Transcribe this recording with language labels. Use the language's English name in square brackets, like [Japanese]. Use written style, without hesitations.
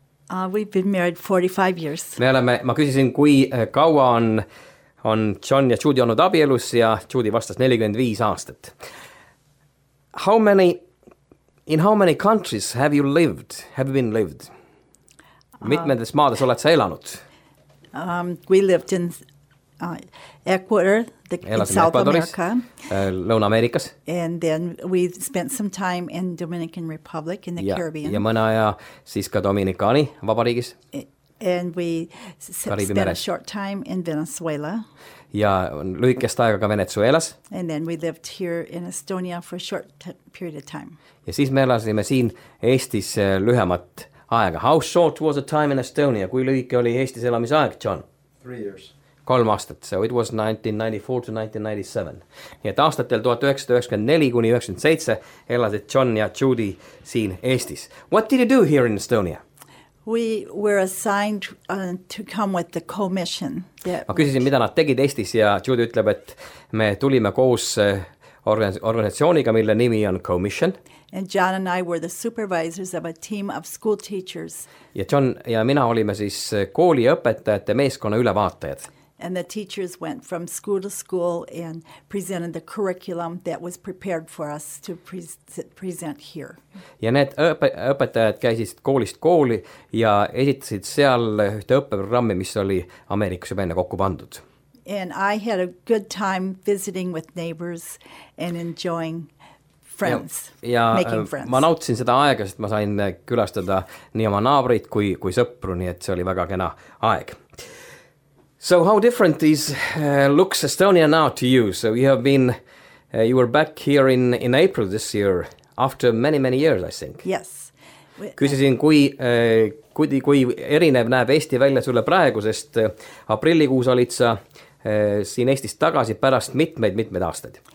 [English] We've been married 45 years. [Estonian] Ma küsisin, kui kaua on John ja Judy olnud abielus ja Judy vastas 45 aastat. [English] In how many countries have you lived? Have you been lived? [Estonian] Mitmedes maades oled sa elanud? [English] We lived in Ecuador, in South America. [Estonian] Lõuna-Ameerikas. [English] And then we spent some time in Dominican Republic in the Caribbean. [Estonian] Ja mõne aja siis ka Dominikaani vabariigis. [English] And we spent a short time in Venezuela. [Estonian] Ja lühikest aega ka Venezuelas. [English] And then we lived here in Estonia for a short period of time. [Estonian] Ja siis me elasime siin Eestis lühemat aega. [English] How short was the time in Estonia? [Estonian] Kui lühike oli Eestis elamise aeg, John? [English] 3 years. [Estonian] 3 aastat. [English] So it was 1994 to 1997. [Estonian] Nii et aastatel 1994 kuni 1997 elasid John ja Judy siin Eestis. [English] What did you do here in Estonia? We were assigned to come with the commission. [Estonian] Ma küsisin, mida nad tegid Eestis ja Judy ütleb, et me tulime koos organisatsiooniga, mille nimi on commission. [English] And John and I were the supervisors of a team of school teachers. [Estonian] Ja John ja mina olime siis kooli õpetajate meeskonna ülevaatajad. [English] And the teachers went from school to school and presented the curriculum that was prepared for us to present here. [Estonian] Ja need õpetajad käisid koolist kooli ja esitasid seal ühte õppeprogrammi, mis oli Ameerikas juba enne kokku pandud. [English] And I had a good time visiting with neighbors and enjoying friends, making friends. [Estonian] Ma nautsin seda aega, sest ma sain külastada nii oma naabrit kui sõpru, nii et see oli väga kena aeg. [English] So how different is looks Estonia now to you? So you have been, you were back here in April this year, after many, many years, I think. Yes. [Estonian] Küsisin, kui erinev näeb Eesti välja sulle praegu, sest aprillikuus olid sa siin Eestis tagasi pärast mitmeid aastaid.